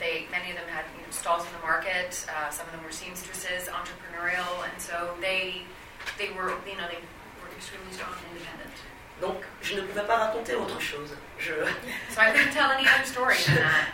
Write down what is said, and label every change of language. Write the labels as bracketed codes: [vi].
[en] Many of them had, you know, stalls in the market. Some of them were seamstresses, entrepreneurial, and so they were, you know, they were extremely strong and independent. [fr] Donc je ne pouvais pas raconter autre chose. [en] So I couldn't tell any other story than that.